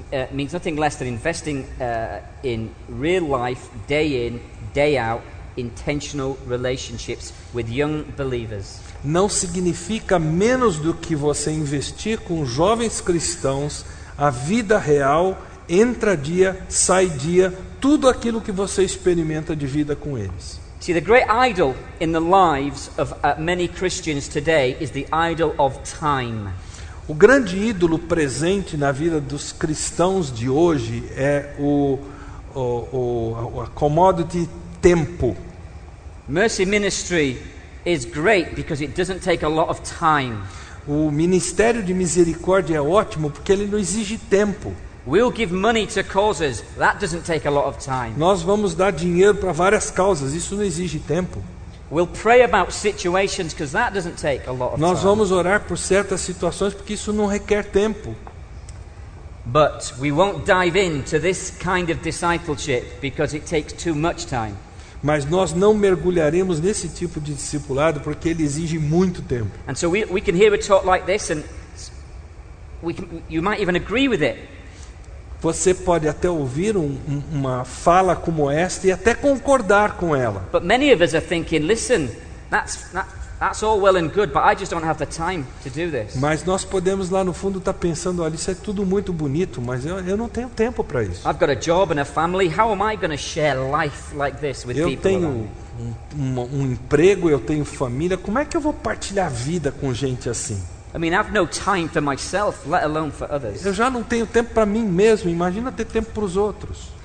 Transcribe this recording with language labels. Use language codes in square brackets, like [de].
[en] Means nothing less than investing in real life, day in, day out, intentional relationships with young believers. [pt] Não significa menos do que você investir com jovens cristãos a vida real, entra dia, sai dia, tudo aquilo que você experimenta de vida com eles. [en] See, the great idol in the lives of many Christians today is the idol of time. [pt] O grande ídolo presente na vida dos cristãos de hoje é o commodity tempo. [en] Mercy ministry is great because it doesn't take a lot of time. [pt] O ministério de misericórdia é ótimo porque ele não exige tempo. [en] We'll give money to causes. That doesn't take a lot of time. [pt] Nós vamos dar dinheiro para várias causas, isso não exige tempo. [en] We'll pray about situations because that doesn't take a lot of time. [pt] Nós vamos orar por certas situações porque isso não requer tempo. [en] But we won't dive into this kind of discipleship because it takes too much time. [pt] Mas nós não mergulharemos nesse tipo de discipulado porque ele exige muito tempo. [en] And so we can hear a talk like this and you might even agree with it. [pt] Você pode até ouvir uma fala como esta e até concordar com ela. [en] But many of us are thinking, listen, that's, that, That's all well and good, but I just don't have the time to do this. [pt] Mas nós podemos lá no fundo estar pensando, olha, isso é tudo muito bonito, mas eu não tenho tempo para isso. [en] I've got a job and a family. How am I going to share life like this with people? [pt] Eu tenho um emprego, eu tenho família. Como é que eu vou partilhar a vida com gente assim? [en] I mean, I have no time for myself, let alone for others. [pt] Eu já não tenho tempo para mim mesmo, imagina ter tempo para os outros.